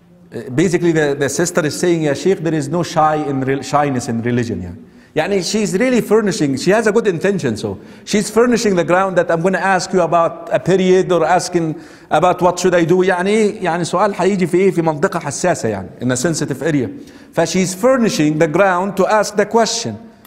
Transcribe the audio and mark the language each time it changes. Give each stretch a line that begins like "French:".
English: basically the sister is saying, yeah, Sheikh, there is no shyness in religion. Yeah. Yani she's really furnishing, she has a good intention, so she's furnishing the ground that I'm going to ask you about a period or asking about what should I do.
Arabic: يعني سؤال حيجي في ايه في منطقة حساسة يعني,
English: in a sensitive area. فشي's furnishing the ground to ask the question.